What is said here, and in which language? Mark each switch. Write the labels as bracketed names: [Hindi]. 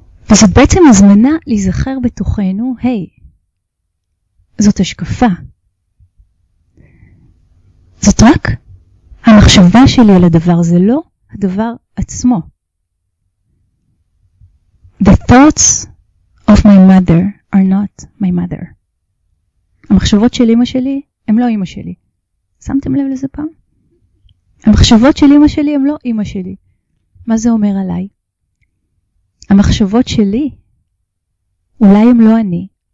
[Hebrew] וזאת בעצם הזמנה להיזכר בתוכנו, היי, זאת השקפה. זאת רק... המחשבה שלי על הדבר זה לא הדבר עצמו. [English] The thoughts of my mother are not my mother. [Hebrew] המחשבות של אמא שלי הם לא אמא שלי. שמתם לב לזה פעם? המחשבות של אמא שלי הם לא אמא שלי. מה זה אומר עליי? המחשבות שלי אולי הם לא אני.